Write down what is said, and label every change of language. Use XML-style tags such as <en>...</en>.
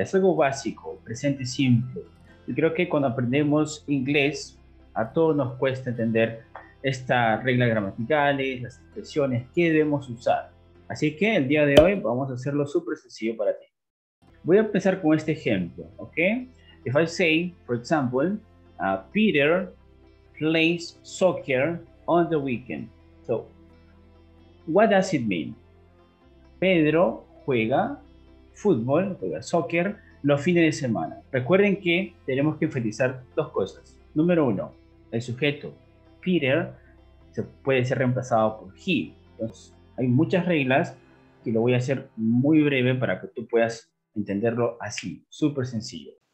<es>Es algo básico, presente simple. Y creo que cuando aprendemos inglés, a todos nos cuesta entender estas reglas gramaticales, las expresiones que debemos usar. Así que el día de hoy vamos a hacerlo súper sencillo para ti. Voy a empezar con este ejemplo, ¿ok?</es> <en>If I say, for example, Peter plays soccer on the weekend. So, what does it mean?</en> <es>Pedro juega fútbol, juega soccer los fines de semana. Recuerden que tenemos que enfatizar dos cosas. Número uno, el sujeto Peter se puede ser reemplazado por he. Entonces, hay muchas reglas que lo voy a hacer muy breve para que tú puedas entenderlo así, súper sencillo.</es>